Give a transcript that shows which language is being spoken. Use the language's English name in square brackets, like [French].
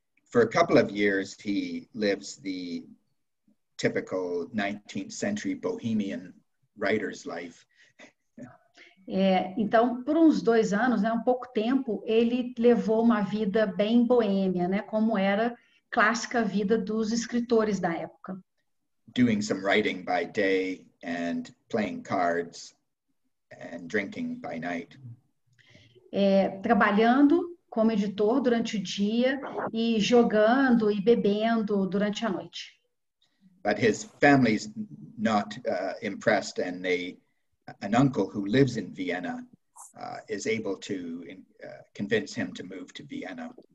[English] For a couple of years, he lives the typical 19th century bohemian writer's life. [Portuguese] É, então, por uns 2 anos, né, um pouco tempo, ele levou uma vida bem boêmia, né, como era clássica a vida dos escritores da época. [English] Doing some writing by day and playing cards and drinking by night. [Portuguese] É, trabalhando como editor durante o dia e jogando e bebendo durante a noite. [English] But his family's not impressed, and an uncle who lives in Vienna is able to convince him to move to Vienna.